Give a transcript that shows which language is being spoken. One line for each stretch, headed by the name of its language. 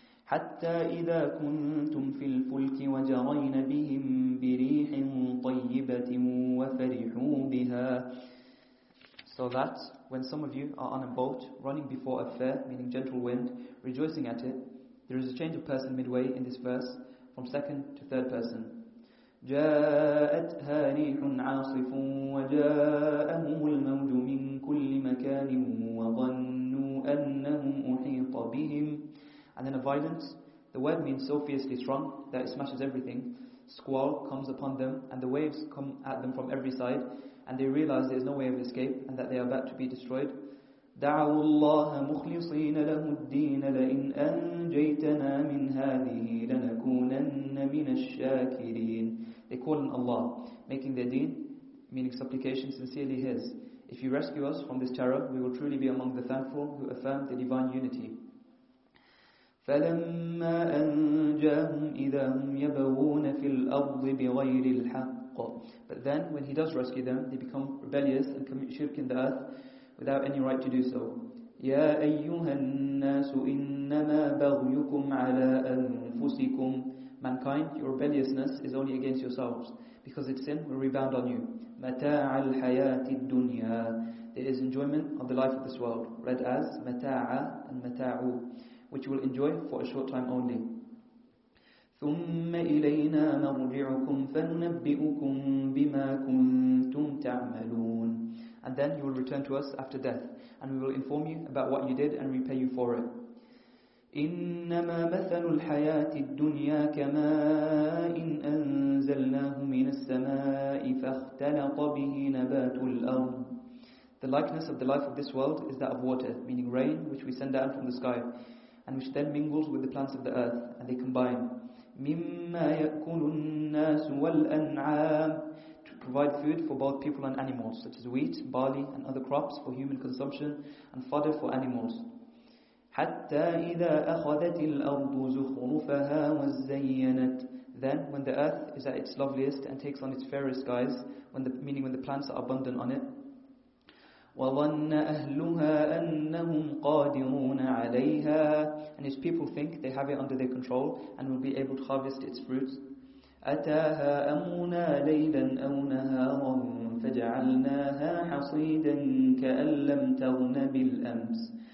Arabic: حَتَّى إِذَا كُنْتُمْ فِي الْفُلْكِ وَجَرَيْنَ بِهِمْ بِرِيحٍ طَيِّبَةٍ وَفَرِحُوا بِهَا.
English: So that when some of you are on a boat running before a fair, meaning gentle wind, rejoicing at it, there is a change of person midway in this verse, from second to third person.
Arabic: جاءتها ريح عاصف وجاءهم الموج من كل مكان وظنوا أنهم أحيط بهم.
English: And then a violent, the word means so fiercely strong that it smashes everything, squall comes upon them and the waves come at them from every side, and they realize there is no way of escape and that they are about to be destroyed.
Arabic: دعوا الله مخلصين له الدين لئن أنجيتنا من هذه لنكونن من الشاكرين.
English: They call on Allah, making their deen, meaning supplication, sincerely His. If you rescue us from this terror, we will truly be among the thankful who affirm the divine unity.
Arabic: فَلَمَّا أَنْجَاهُمْ إِذَا هُمْ يَبَغُونَ فِي الْأَرْضِ بِغَيْرِ الْحَقِّ.
English: But then, when He does rescue them, they become rebellious and commit shirk in the earth without any right to do so.
Arabic: يَا أَيُّهَا النَّاسُ إِنَّمَا بَغْيُكُمْ عَلَىٰ أَنفُسِكُمْ.
English: Mankind, your rebelliousness is only against yourselves, because its sin will rebound on you.
Arabic: مَتَاعَ الْحَيَاةِ الدُّنْيَا.
English: There is enjoyment of the life of this world, read as مَتَاعَ and مَتَاعُ, which you will enjoy for a short time only.
Arabic: ثُمَّ إِلَيْنَا مَرْجِعُكُمْ فَنُنَبِّئُكُمْ بِمَا كُنْتُمْ تَعْمَلُونَ.
English: And then you will return to us after death, and we will inform you about what you did and repay you for it.
Arabic: إنما مثل الحياة الدنيا كماء أنزلناه من السماء فاختلط به نبات الأرض.
English: The likeness of the life of this world is that of water, meaning rain, which we send down from the sky, and which then mingles with the plants of the earth, and they combine.
Arabic: مما يأكل الناس والأنعام.
English: To provide food for both people and animals, such as wheat, barley, and other crops for human consumption, and fodder for animals.
Arabic: حتى إذا أخذت الأرض زخرفها وزينت.
English: Then, when the earth is at its loveliest and takes on its fairest guise, when the plants are abundant on it.
Arabic: وظن أهلها أنهم قادرون عليها.
English: And its people think they have it under their control and will be able to harvest its fruits.
Arabic: أتاها أمنا ليلا أو نهارا فجعلناها حصيدا كأن لم تغن بالأمس.